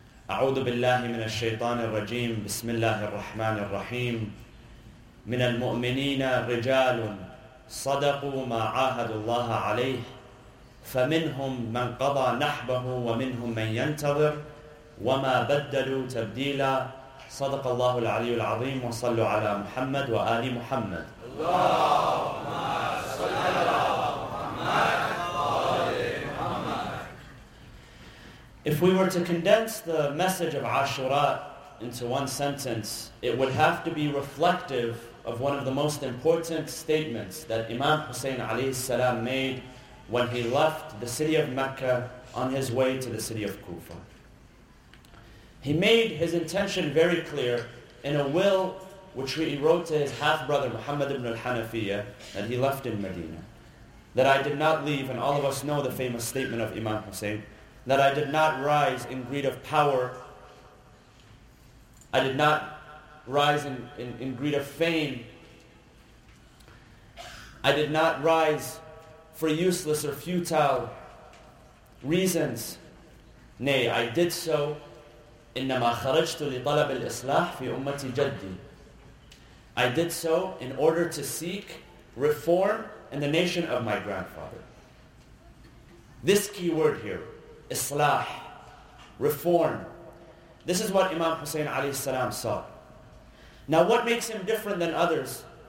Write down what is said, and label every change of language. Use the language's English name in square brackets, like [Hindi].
[Arabic] أعوذ بالله من الشيطان الرجيم بسم الله الرحمن الرحيم من المؤمنين رجال صدقوا ما عاهدوا الله عليه فمنهم من قضى نحبه ومنهم من ينتظر وما بدلوا تبديلا صدق الله العلي العظيم وصلوا على محمد وآل محمد اللهم صل على محمد وآل محمد. [English] If we were to condense the message of Ashura into one sentence, it would have to be reflective of one of the most important statements that Imam Hussein alayhi salam made when he left the city of Mecca on his way to the city of Kufa. He made his intention very clear in a will which he wrote to his half-brother Muhammad ibn al-Hanafiyyah that he left in Medina. That I did not leave, and all of us know the famous statement of Imam Hussein, that I did not rise in greed of power, I did not rise in greed of fame. I did not rise for useless or futile reasons. Nay, I did so. [Arabic] إنما خرجت لطلب الإصلاح في أمتي جدي. [English] I did so in order to seek reform in the nation of my grandfather. This key word here, إصلاح, reform. This is what Imam Hussein عليه السلام saw. Now what makes him different than others?